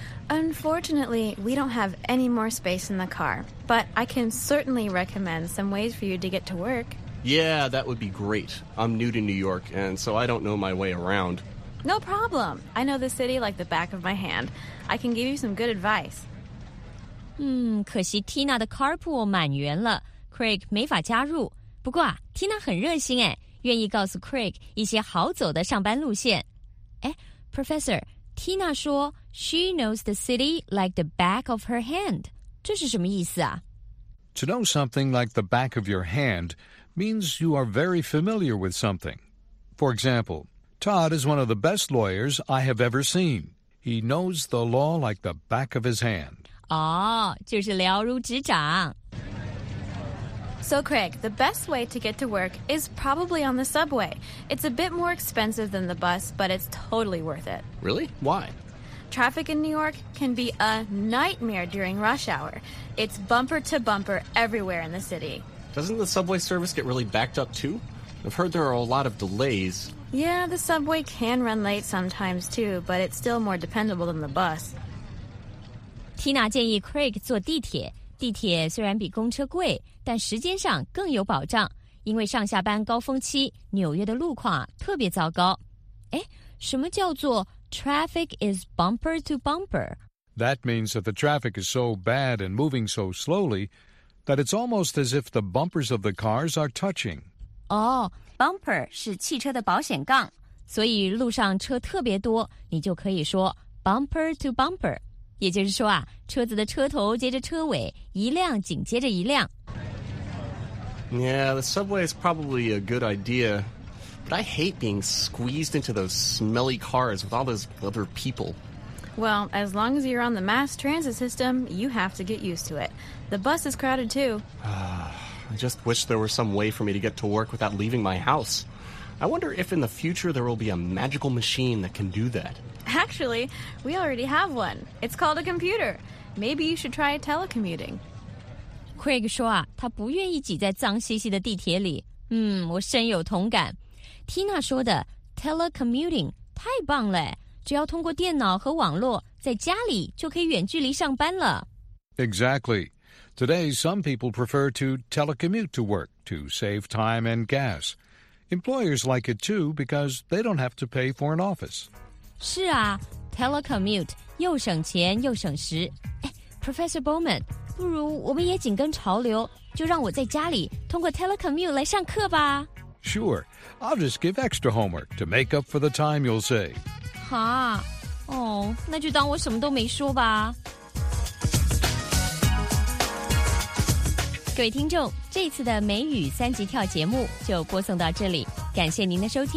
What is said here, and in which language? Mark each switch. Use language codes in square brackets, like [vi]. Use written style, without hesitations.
[en] Unfortunately, we don't have any more space in the car, but I can certainly recommend some ways for you to get to work. Yeah, that would be great. I'm new to New York, and so I don't know my way around. No problem. I know the city like the back of my hand. I can give you some good advice. [zh] 可惜 Tina 的 carpool 满员了 ,Craig 没法加入。不过啊 ,Tina 很热心诶。愿意告诉 Craig 一些好走的上班路线。哎 [en] ,Professor, Tina [zh] 说 [en] ,She knows the city like the back of her hand. [zh] 这是什么意思啊 [en] ?To know something like the back of your hand means you are very familiar with something. For example, Todd is one of the best lawyers I have ever seen. He knows the law like the back of his hand. [zh] 哦、oh, 就是了如指掌。 [en] So, Craig, the best way to get to work is probably on the subway. It's a bit more expensive than the bus, but it's totally worth it. Really? Why? Traffic in New York can be a nightmare during rush hour. It's bumper to bumper everywhere in the city. Doesn't the subway service get really backed up, too? I've heard there are a lot of delays. Yeah, the subway can run late sometimes, too, but it's still more dependable than the bus. [zh] Tina 建议 Craig 坐地铁。地铁虽然比公车贵，但时间上更有保障，因为上下班高峰期，纽约的路况、特别糟糕。哎，什么叫做 [en] traffic is bumper to bumper? That means that the traffic is so bad and moving so slowly that it's almost as if the bumpers of the cars are touching. [zh] Oh, bumper 是汽车的保险杠，所以路上车特别多，你就可以说 bumper to bumper。也就是说啊，车子的车头接着车尾，一辆紧接着一辆。 [en] Yeah, the subway is probably a good idea, but I hate being squeezed into those smelly cars with all those other people. Well, as long as you're on the mass transit system, you have to get used to it. The bus is crowded too. I just wish there were some way for me to get to work without leaving my house. I wonder if in the future there will be a magical machine that can do that. Actually, we already have one. It's called a computer. Maybe you should try telecommuting. [zh] Craig 说啊，他不愿意挤在脏兮兮的地铁里。我深有同感。Tina 说的 telecommuting 太棒了，只要通过电脑和网络，在家里就可以远距离上班了。 [en] Exactly. Today, some people prefer to telecommute to work to save time and gas. Employers like it too because they don't have to pay for an office. [zh] 是啊 ,telecommute, 又省钱又省时。 Professor Bowman, 不如我们也紧跟潮流，就让我在家里通过 telecommute 来上课吧。 [en] Sure, I'll just give extra homework to make up for the time you'll save. [zh] 哈，哦，那就当我什么都没说吧。各位听众，这次的美语三级跳节目就播送到这里，感谢您的收听。